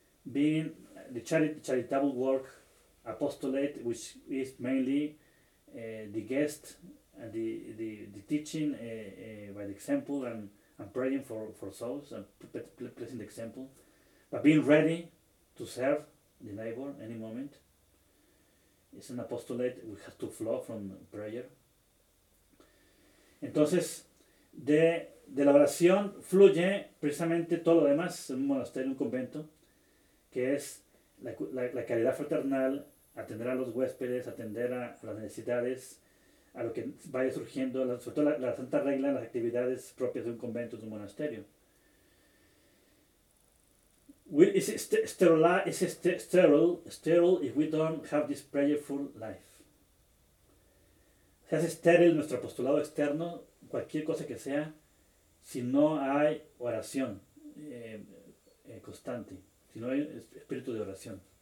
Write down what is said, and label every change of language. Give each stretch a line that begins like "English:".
English: being the charitable work, apostolate, which is mainly the guest and the teaching by the example and praying for souls and placing the example, but being ready to serve the neighbor any moment. It's an apostolate we have to flow from prayer.
Spanish: Entonces, de la oración fluye precisamente todo lo demás en un monasterio, en un convento, que es la caridad fraternal, atender a los huéspedes, atender a las necesidades, a lo que vaya surgiendo, sobre todo la Santa Regla, las actividades propias de un convento, de un monasterio.
English: Is it sterile if we don't have this prayerful life?
Spanish: Se hace estéril nuestro apostolado externo, cualquier cosa que sea, si no hay oración constante, si no hay espíritu de oración.